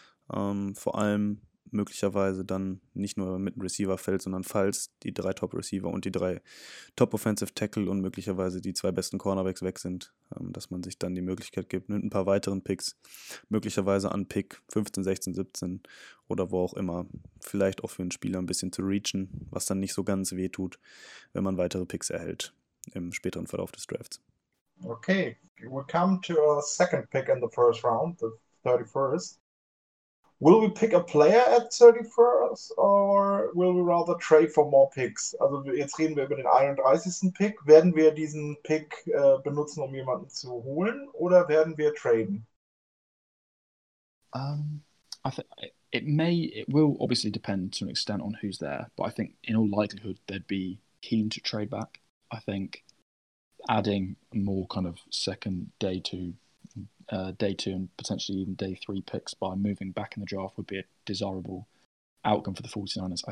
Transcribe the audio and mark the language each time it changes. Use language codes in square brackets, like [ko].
[de] Vor allem möglicherweise dann nicht nur mit einem Receiver fällt, sondern falls die drei Top-Receiver und die drei Top-Offensive-Tackle und möglicherweise die zwei besten Cornerbacks weg sind, dass man sich dann die Möglichkeit gibt, mit ein paar weiteren Picks, möglicherweise an Pick 15, 16, 17 oder wo auch immer, vielleicht auch für einen Spieler ein bisschen zu reachen, was dann nicht so ganz wehtut, wenn man weitere Picks erhält im späteren Verlauf des Drafts. [en] Okay, we come to our second pick in the first round, the 31st. Will we pick a player at 31st or will we rather trade for more picks? [de] Also jetzt reden wir über den 31. Pick. Werden wir diesen Pick benutzen, um jemanden zu holen, oder werden wir traden? [en] It will obviously depend to an extent on who's there, but I think in all likelihood they'd be keen to trade back. I think adding more kind of second day two, day two and potentially even day three picks by moving back in the draft would be a desirable outcome for the 49ers.